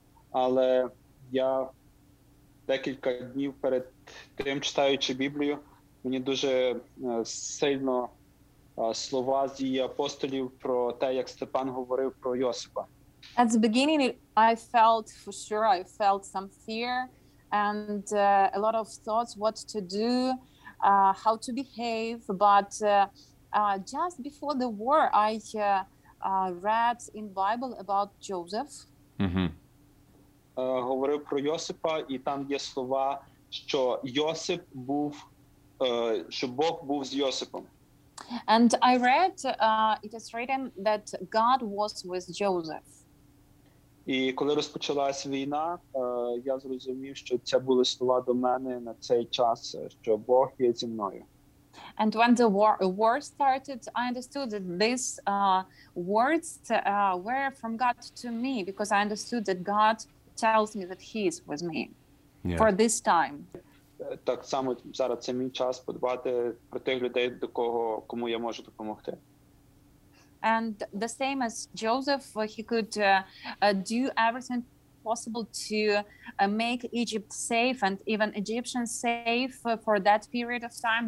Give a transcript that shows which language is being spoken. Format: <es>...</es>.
<uk>Але я декілька днів перед тим, читаючи Біблію, мені дуже сильно слова з її апостолів про те, як Степан говорив про Йосипа.</uk> <en>At the beginning, I felt for sure, I felt some fear. And a lot of thoughts, what to do, how to behave. But just before the war, I read in Bible about Joseph.</en> <uk>Говорив про Йосипа, і там є слова, що Йосип був, що Бог був з Йосипом.</uk> <en>And I read, it is written that God was with Joseph.</en> <uk>І коли розпочалась війна, я зрозумів, що це були слова до мене на цей час, що Бог є зі мною.</uk> <en>And when the war started, I understood that these words were from God to me, because I understood that God tells me that He is with me for this time.</en> <uk>Так само зараз це мій час подбати про тих людей, до кого, кому я можу допомогти.</uk> <en>And the same as Joseph, he could do everything possible to make Egypt safe and even Egyptians safe for that period of time.</en>